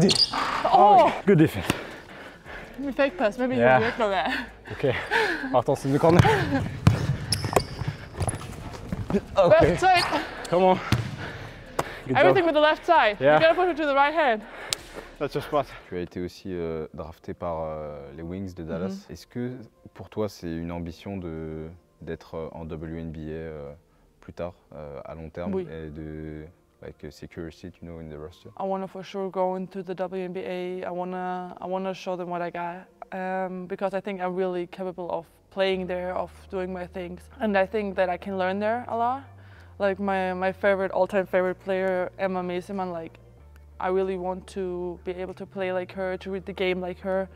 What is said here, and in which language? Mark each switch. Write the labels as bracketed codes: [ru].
[en] defense. Oh! Good defense. Give me fake pass. Maybe you can work on that. Okay. Hortense in the corner. Okay. Left side. Come on. Everything with the left side. Yeah. You gotta push it to the right hand. That's your spot. [fr] Tu as été aussi drafté par les Wings de Dallas. Mm-hmm. Est-ce que pour toi c'est une ambition d'être en WNBA plus tard à long terme? Oui. Et de [en] like security, you know, in the roster? I wanna for sure go into the WNBA. I wanna show them what I got because I think I'm really capable of playing there, of doing my things, and I think that I can learn there a lot. Like my favorite, all-time favorite player, Emma Mesiman, like I really want to be able to play like her, to read the game like her.